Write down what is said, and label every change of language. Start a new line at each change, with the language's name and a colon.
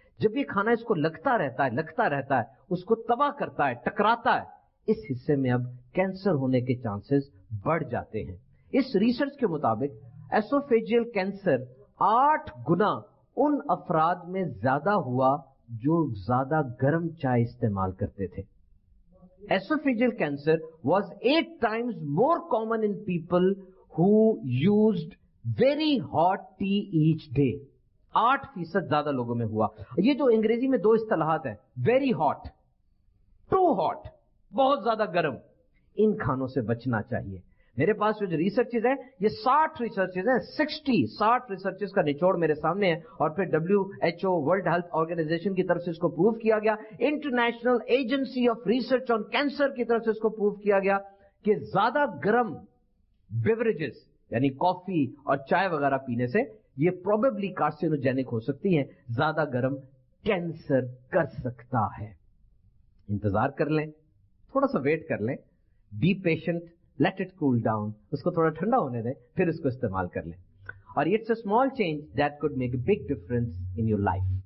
Urdu: جب یہ کھانا اس کو لگتا رہتا ہے اس کو تباہ کرتا ہے, ٹکراتا ہے, اس حصے میں اب کینسر ہونے کے چانسز بڑھ جاتے ہیں. اس ریسرچ کے مطابق ایسوفیجیل کینسر 8 گنا ان افراد میں زیادہ ہوا جو زیادہ گرم چائے استعمال کرتے تھے.
English: Esophageal cancer was 8 times more common in people who used very hot tea each day.
Urdu: 8% زیادہ لوگوں میں ہوا. یہ جو انگریزی میں دو اصطلاحات ہیں,
English: very hot, too hot,
Urdu: بہت زیادہ گرم, ان کھانوں سے بچنا چاہیے. میرے پاس جو ریسرچز ہیں, یہ 60 ریسرچز کا نچوڑ میرے سامنے ہے, اور پھر WHO ورلڈ ہیلتھ آرگنائزیشن کی طرف سے اس کو پروف کیا گیا, international agency of research on cancer کی طرف سے اس کو پروف کیا گیا کہ زیادہ گرم بیوریجز یعنی کافی اور چائے وغیرہ پینے سے یہ پروبیبلی کارسینوجینک ہو سکتی ہیں, زیادہ گرم کینسر کر سکتا ہے. انتظار کر لیں, تھوڑا سا ویٹ کر لیں, be patient,
English: let it cool down,
Urdu: usko thoda thanda hone de, phir usko istemal kar le. Aur
English: it's a small change that could make a big difference in your life.